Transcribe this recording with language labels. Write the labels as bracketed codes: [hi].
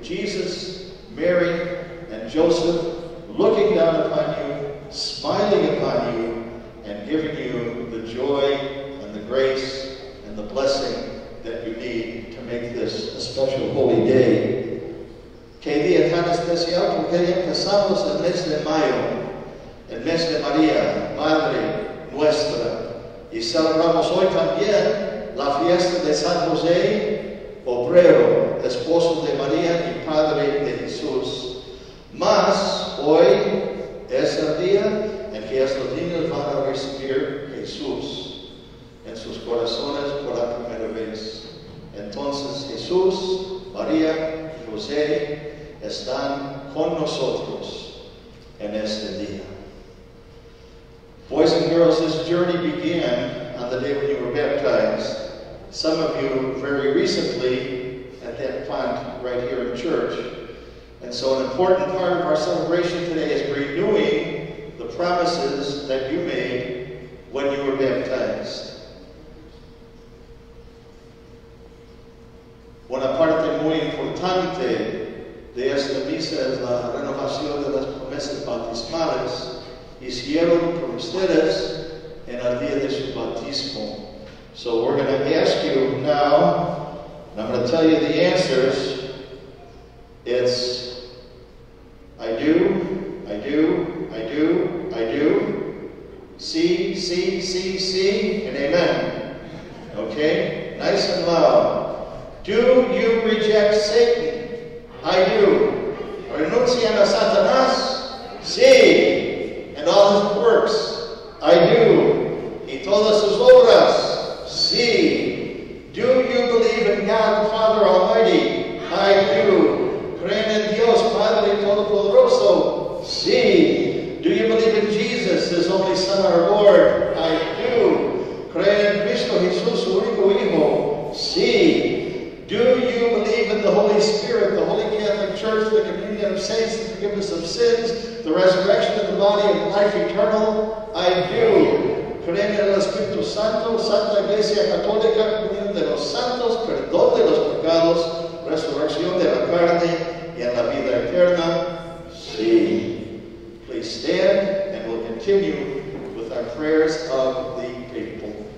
[en] Jesus, Mary, and Joseph looking down upon you, smiling upon you, and giving you the joy and the grace and the blessing that you need to make this a special holy day. [es] Que día tan especial, porque empezamos el mes de mayo, el mes de María, Madre, vuestra. Y celebramos hoy también la fiesta de San José, obrero, esposo de María y padre de Jesús. Mas hoy es el día en que estos niños van a recibir Jesús en sus corazones por la primera vez. Entonces Jesús, María y José están con nosotros en este día. [en] Boys and girls, this journey began on the day when you were baptized. Some of you very recently at that font right here in church. And so an important part of our celebration today is renewing the promises that you made when you were baptized. [es] Una parte muy importante de esta misa es la renovación de las promesas bautismales hicieron por ustedes en el día de su bautismo. [en] So we're going to ask you now, and I'm going to tell you the answers. It's I do, I do, I do, I do, C, and amen. Okay, nice and loud. Do you reject Satan? I do. [es] Renuncian a Satanás? Sí. [en] And all his works? I do. [es] Y todas sus obras? Sí. [en] Do you believe in God the Father Almighty? I do. [es] Creen en Dios Padre Todopoderoso? Sí. [en] Do you believe in Jesus, His only Son, our Lord? I do. [es] Creen en Cristo Jesús, su único hijo? Sí. [en] Do you believe in the Holy Spirit, the Holy Catholic Church, the communion of saints, the forgiveness of sins, the resurrection of the body, and life eternal? I do. [es] Creen en el Espíritu Santo, Santa Iglesia Católica, comunión de los santos, perdón de los pecados, resurrección de la carne, y en la vida eterna. Sí. [en] Please stand, and we'll continue with our prayers of the people.